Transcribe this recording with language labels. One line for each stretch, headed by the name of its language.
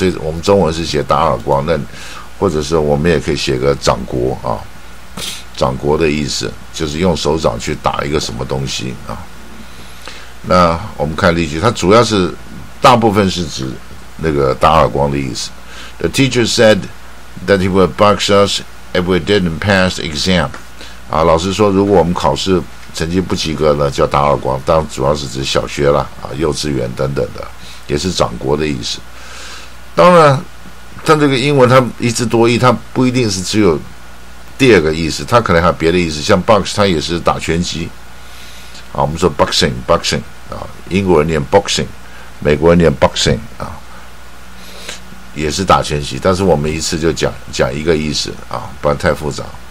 Chinese: 所以我们中文是写打耳光，那或者是我们也可以写个掌掴啊。掌掴的意思就是用手掌去打一个什么东西啊。那我们看例句，它主要是大部分是指那个打耳光的意思。
English: The teacher said that he would box us if we didn't pass the exam。
Chinese: 啊，老师说如果我们考试成绩不及格呢，叫打耳光。当然主要是指小学啦啊，幼稚园等等的，也是掌掴的意思。当然，但这个英文它一字多义，它不一定是只有。第二个意思，它可能还有别的意思，像 box 它也是打拳击啊，我们说 boxing 啊，英国人念 boxing， 美国人念 boxing 啊，也是打拳击，但是我们一次就讲一个意思啊，不然太复杂。